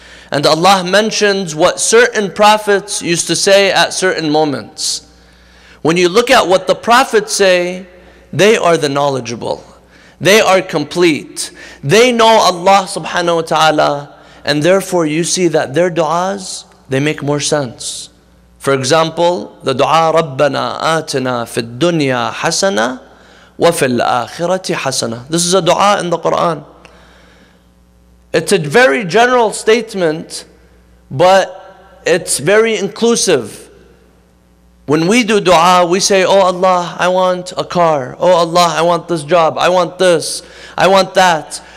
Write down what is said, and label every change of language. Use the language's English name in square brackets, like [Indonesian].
[English] And Allah mentions what certain prophets used to say at certain moments. When you look at what the prophets say, they are the knowledgeable. They are complete. They know Allah subhanahu wa ta'ala. And therefore you see that their du'as, they make more sense. For example, the du'a [Arabic] رَبَّنَا آتِنَا فِي الدُّنْيَا حَسَنَا وَفِي الْآخِرَةِ حَسَنَا. [English] This is a du'a in the Quran. It's a very general statement, but it's very inclusive. When we do du'a, we say, oh Allah, I want a car. Oh Allah, I want this job. I want this. I want that.